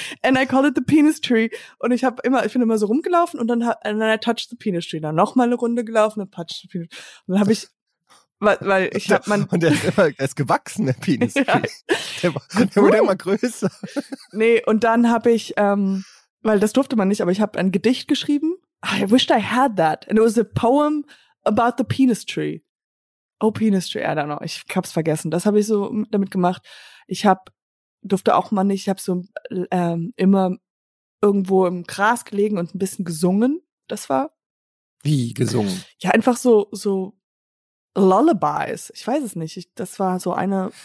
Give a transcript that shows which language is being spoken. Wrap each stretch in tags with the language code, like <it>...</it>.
<en>And I call it the penis tree.</en> <de>Und ich habe immer, ich bin immer so rumgelaufen und dann</de> <en>I touched the penis tree.</en> <de>Dann nochmal eine Runde gelaufen und</de> <en>touched the penis tree.</en> <de>Und dann habe ich, weil ich habe mein... Und der ist gewachsen, der penis tree. Der wurde immer größer. Nee, und dann habe ich, weil das durfte man nicht, aber ich habe ein Gedicht geschrieben.</de> <en>I wished I had that. And it was a poem about the penis tree. Oh, penis tree, I don't know.</en> <de>Ich hab's vergessen. Das habe ich so damit gemacht. Ich durfte auch mal nicht, ich habe so immer irgendwo im Gras gelegen und ein bisschen gesungen. Das war. Wie gesungen? Ja, einfach so Lullabies. Ich weiß es nicht. Das war so eine.</de>